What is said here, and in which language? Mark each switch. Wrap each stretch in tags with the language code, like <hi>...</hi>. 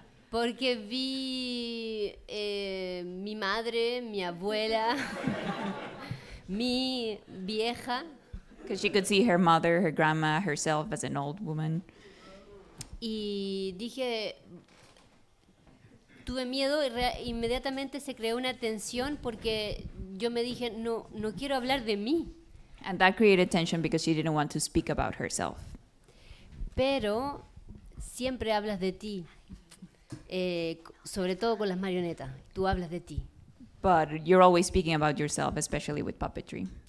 <es>Porque vi mi madre, mi abuela, mi vieja.</es> <en>Because she could see her mother, her grandma, herself as an old woman.</en> <es>Y dije, tuve miedo y inmediatamente se creó una tensión porque yo me dije, no quiero hablar de mí.</es> <en>And that created tension because she didn't want to speak about herself.</en> <es>Pero siempre hablas de ti. Sobre todo con las marionetas, tú hablas de ti.</es> <en>But you're always speaking about yourself, especially with puppetry.</en>